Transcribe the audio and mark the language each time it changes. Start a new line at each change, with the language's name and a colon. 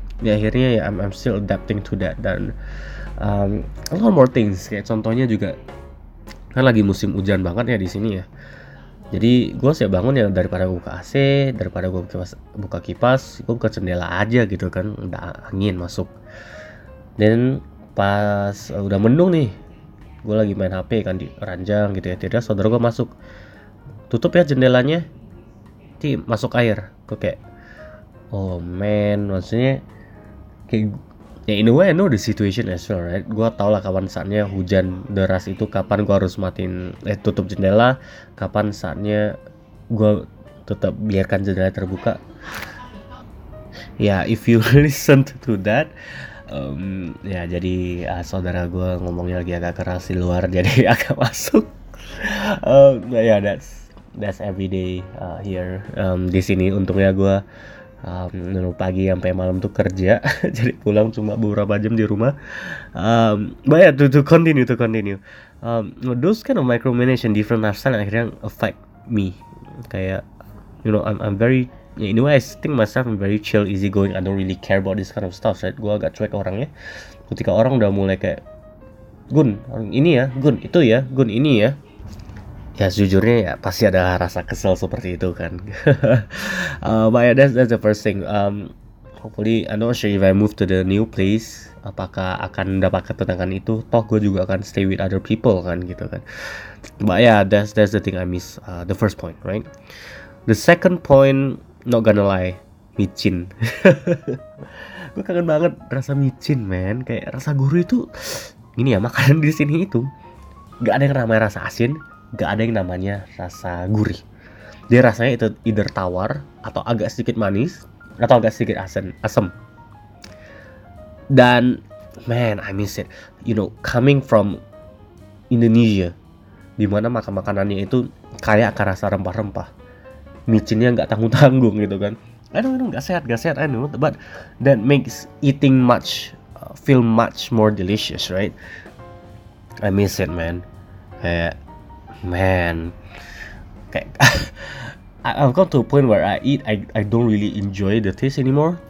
Indonesian: Ya akhirnya ya
English: I'm still adapting to that, dan a lot more things.
Indonesian: Kayak contohnya juga kan lagi musim hujan banget ya di sini ya. Jadi gue siap bangun ya, daripada gue buka AC, daripada gue buka kipas, gue buka jendela aja gitu kan, udah angin masuk. Dan pas udah mendung nih, gue lagi main HP kan di ranjang gitu ya, tiba-tiba saudara gue masuk, tutup ya jendelanya, tim masuk air. Gue kayak,
English: oh man,
Indonesian: maksudnya kayak, ya
English: in a way I know the situation as well, right?
Indonesian: Gua tau lah kapan saatnya hujan deras itu, kapan gua harus matiin, tutup jendela, kapan saatnya gua tetap biarkan jendela terbuka. Ya
English: yeah, if you listen to that,
Indonesian: ya jadi saudara gua ngomongnya lagi agak keras di luar, jadi agak masuk.
English: Ya yeah, that's everyday here
Indonesian: di sini. Untungnya gua pagi sampai malam tuh kerja, jadi pulang cuma beberapa jam di rumah.
English: But to continue. Those kind of micromanage and different lifestyle akhirnya affect me. Kayak, I'm very, yeah, in a way I think myself I'm very chill, easy going. I don't really care about this kind of stuff.
Indonesian: Right? Gue agak cuek orangnya. Ketika orang udah mulai kayak, Gun ini ya. Ya sejujurnya ya pasti ada rasa kesel seperti itu kan.
English: But yeah, that's the first thing. Hopefully, I'm not sure if I move to the new place,
Indonesian: apakah akan dapat ketenangan itu. Toh gue juga akan
English: stay with other people
Indonesian: kan gitu kan.
English: But yeah, that's the thing I miss. The first point, right? The second point, not gonna lie, micin.
Indonesian: Gue kangen banget rasa micin, man. Kayak rasa guru itu, gini ya, makanan di sini itu gak ada yang ramai rasa asin, gak ada yang namanya rasa gurih. Dia rasanya itu either tawar atau agak sedikit manis atau agak sedikit asam.
English: Dan man, I miss it. You know, coming from Indonesia,
Indonesian: di mana makanannya itu kaya akan rasa rempah-rempah, micinnya gak tanggung-tanggung gitu kan.
English: I know,
Indonesian: gak sehat,
English: I know, but that makes eating much feel much more delicious, right? I miss it, man. Kayak man, kayak I've come to a point where I don't really enjoy the taste anymore.